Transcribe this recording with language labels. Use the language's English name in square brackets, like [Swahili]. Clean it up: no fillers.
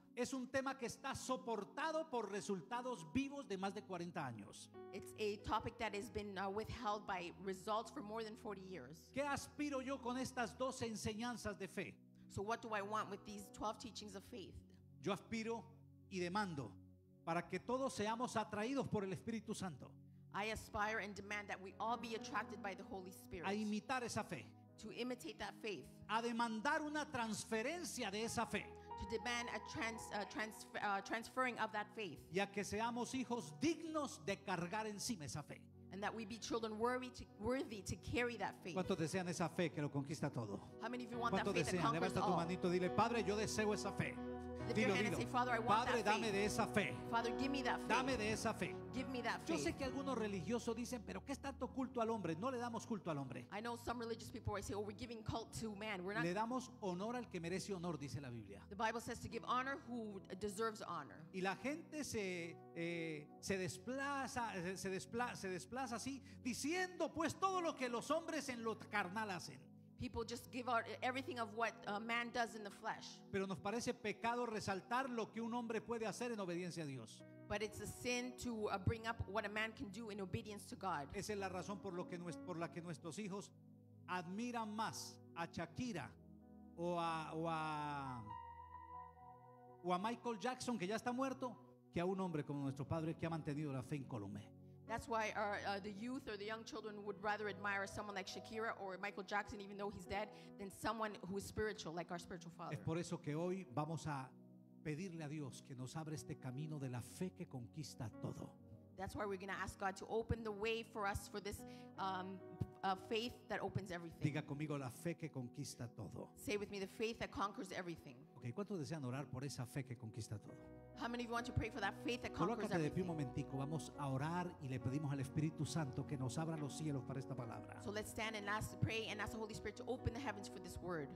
[Spanish] Es un tema que está soportado por resultados vivos de más de 40 años. [English] It's a topic that has been withheld by results for more than 40 years. [Spanish] ¿Qué aspiro yo con estas 12 enseñanzas de fe? [English] So what do I want with these 12 teachings of faith? [Spanish] Yo aspiro y demando para que todos seamos atraídos por el Espíritu Santo. [English] I aspire and demand that we all be attracted by the Holy Spirit. [Spanish] A imitar esa fe. [English] To imitate that faith. [Spanish] A demandar una transferencia de esa fe. [English] To demand a transferring of that faith. [Spanish] Y a que seamos hijos dignos de cargar encima esa fe. [English] And that we be children worthy to carry that faith. [Spanish] ¿Cuántos desean esa fe que lo conquista todo? [English] How many of you want that faith [Spanish] desean? [English] That conquers all? [Spanish] Levanta tu manito, dile, Padre, yo deseo esa fe. Dilo. [English] Say, Father, I want [Spanish] Padre, [English] that [Spanish] dame [English] faith. [Spanish] De esa fe. [English] Father, give me that faith. [Spanish] Dame de esa fe. [English] Give me that faith. [Spanish] Yo sé que algunos religiosos dicen, pero ¿qué es tanto culto al hombre? No le damos culto al hombre. [English] I know some religious people say, oh, we're giving cult to man. We're not. [Spanish] Le damos honor al que merece honor, dice la Biblia. [English] The Bible says to give honor who deserves honor. [Spanish] Y la gente se desplaza así, diciendo pues todo lo que los hombres en lo carnal hacen. [English] People just give out everything of what a man does in the flesh. [Spanish] Pero nos parece pecado resaltar lo que un hombre puede hacer en obediencia a Dios. [English] But it's a sin to bring up what a man can do in obedience to God. [Spanish] Esa es la razón por la que nuestros hijos admiran más a Shakira o a Michael Jackson, que ya está muerto, que a un hombre como nuestro padre que ha mantenido la fe incólume. [English] That's why the youth or the young children would rather admire someone like Shakira or Michael Jackson, even though he's dead, than someone who is spiritual, like our spiritual father. [Spanish] Es por eso que hoy vamos a pedirle a Dios que nos abra este camino de la fe que conquista todo. [English] That's why we're going to ask God to open the way for us for this faith that opens everything. [Spanish] Diga conmigo, la fe que conquista todo. [English] Say with me, the faith that conquers everything. [Spanish] Okay, ¿cuántos desean orar por esa fe que conquista todo? [English] How many of you want to pray for that faith that conquers everything? [Spanish] Colócate de pie un momentico. Vamos a orar y le pedimos al Espíritu Santo que nos abra los cielos para esta palabra. [English] So let's stand and pray and ask the Holy Spirit to open the heavens for this word.